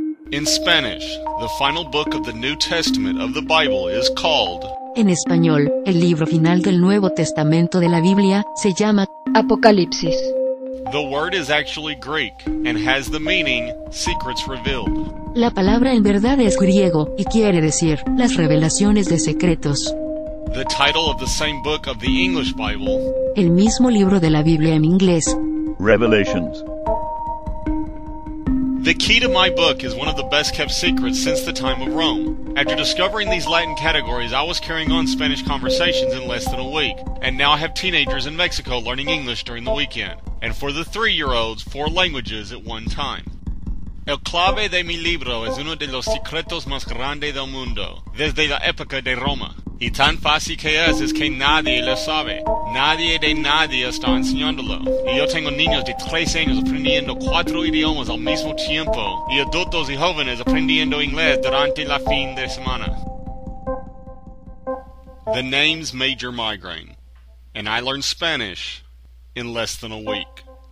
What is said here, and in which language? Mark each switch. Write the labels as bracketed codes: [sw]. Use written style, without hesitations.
[en] In Spanish, the final book of the New Testament of the Bible is called... [es] En español, el libro final del Nuevo Testamento de la Biblia se llama... Apocalipsis. [en] The word is actually Greek and has the meaning secrets revealed. [es] La palabra en verdad es griego y quiere decir las revelaciones de secretos. [en] The title of the same book of the English Bible. [es] El mismo libro de la Biblia en inglés. [en] Revelations. The key to my book is one of the best kept secrets since the time of Rome. After discovering these Latin categories, I was carrying on Spanish conversations in less than a week, and now I have teenagers in Mexico learning English during the weekend, and for the three-year-olds, four languages at one time. [es] El clave de mi libro es uno de los secretos más grandes del mundo, desde la época de Roma. Y tan fácil que es que nadie lo sabe. Nadie de nadie está enseñándolo. Y yo tengo niños de 3 años aprendiendo 4 idiomas al mismo tiempo, y adultos y jóvenes aprendiendo inglés durante la fin de semana. [en] The name's Major Migraine, and I learned Spanish in less than a week.